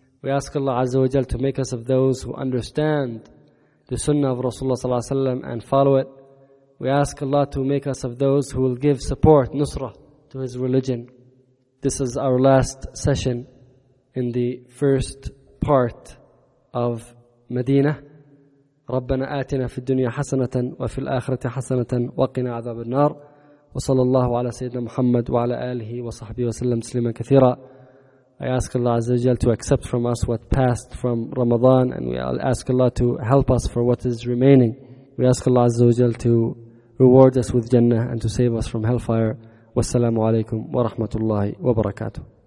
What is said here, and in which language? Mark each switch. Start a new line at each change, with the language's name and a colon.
English: We ask Allah Azza wa Jal to make us of those who understand the sunnah of Rasulullah sallallahu alaihi wasallam and follow it. We ask Allah to make us of those who will give support, nusrah, to his religion. This is our last session in the first part of Medina.
Arabic: ربنا آتنا في الدنيا حسنة وفي الآخرة حسنة وقنا عذاب النار وصلى الله على سيدنا محمد وعلى آله وصحبه وسلم تسليما كثيرا.
English: I ask Allah Azza wa Jal to accept from us what passed from Ramadan, and we ask Allah to help us for what is remaining. We ask Allah Azza wa Jal to reward us with Jannah and to save us from hellfire.
Arabic: والسلام عليكم ورحمة الله وبركاته.